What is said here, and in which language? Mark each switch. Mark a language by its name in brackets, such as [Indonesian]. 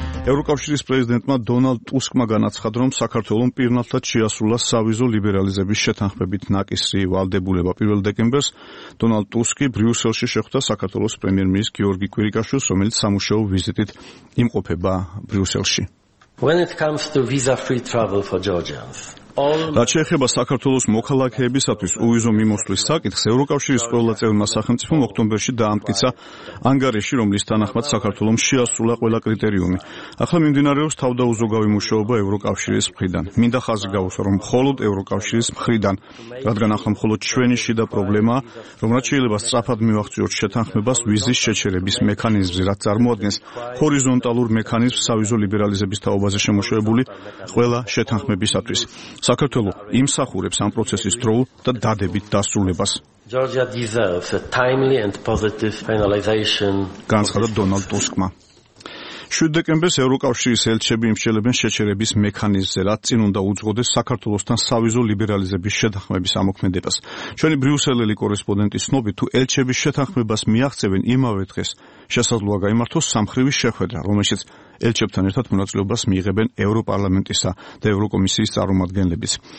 [Georgian] ევროკავშირის პრეზიდენტმა დონალდ ტუსკმა განაცხადა, რომ საქართველომ პირნათლად შეასრულა სავიზო ლიბერალიზების შეთანხმებით ნაკისრი ვალდებულება. 1 დეკემბერს დონალდ ტუსკი ბრიუსელში შეხვდა საქართველოს პრემიერ-მინისტრ გიორგი კვირიკაშვილს, რომელიც სამუშაო ვიზიტით იმყოფება ბრიუსელში. [English] When it comes to visa-free travel for Georgians, [Georgian] რაც შეეხება საქართველოს მოქალაქეებისათვის უვიზო მიმოსვლის საკითხს, ევროკავშირის ყველა წევრმა სახელმწიფომ ოქტომბერში დაამტკიცა ანგარიში, რომლის თანახმად საქართველომ შეასრულა ყველა კრიტერიუმი. ახლა მიმდინარეობს თავდაუზოგავი მუშაობა ევროკავშირის მხრიდან. მინდა ხაზი გავუსვა, რომ მხოლოდ ევროკავშირის მხრიდან, რადგან ახლა მხოლოდ ჩვენი შიდა პრობლემაა, რომ რაც შეიძლება სწრაფად მივახციოთ შეთანხმებას ვიზის შეჩერების მექანიზმზე, რაც წარმოადგენს ჰორიზონტალურ მექანიზმს სავიზო ლიბერალიზების თაობაზე შემოშვებული ყველა შეთანხმებისათვის. საქართველო იმსახურებს ამ პროცესის დროულ და დადებით დასრულებას. [English] Georgia deserves a timely and positive finalization. [Georgian] განცხადა დონალდ ტუსკმა. 7 დეკემბერს ევროკავშირის ელჩები იმსჯელებენ შეჩერების მექანიზმზე, რაც წინ უნდა უძღოდეს საქართველოსთან სავიზო ლიბერალიზების შეთანხმების ამოქმედებას. ჩვენი ბრიუსელელი კორესპონდენტი ცნობით, თუ ელჩების შეთანხმებას მიაღწევენ იმავე დღეს, შესაძლოა გამართოს სამხრივი შეხვედრა, რომელშიც ელჩებთან ერთად მონაწილეობას მიიღებენ ევროპარლამენტისა და ევროკომისიის წარმომადგენლებიც.